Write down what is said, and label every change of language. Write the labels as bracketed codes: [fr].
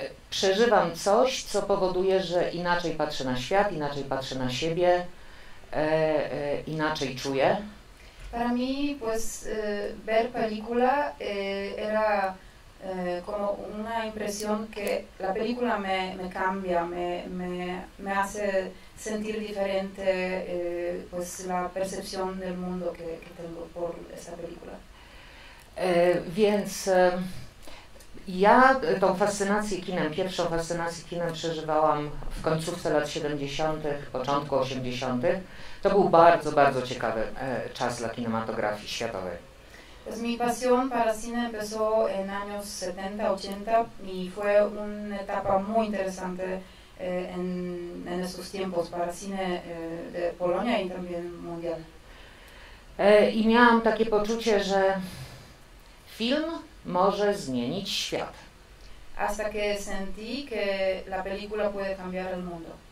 [pl] Przeżywam coś, co powoduje, że inaczej patrzę na świat, inaczej patrzę na siebie, inaczej czuję. [es] Para mí, pues ver película era como una impresión que la película me cambia, me hace sentir diferente pues la percepción del mundo que tengo por esa película. [pl] Więc ja tą fascynację kinem, pierwszą fascynację kinem przeżywałam w końcówce lat 70., początku 80. To był bardzo, bardzo ciekawy czas dla kinematografii światowej. [es] Pues mi pasión para cine empezó en años 70, 80 y fue una etapa muy interesante en esos tiempos para cine de Polonia y también mundial. [pl] I miałam takie poczucie, że film może zmienić świat. [es] Hasta que sentí que la película puede cambiar el mundo.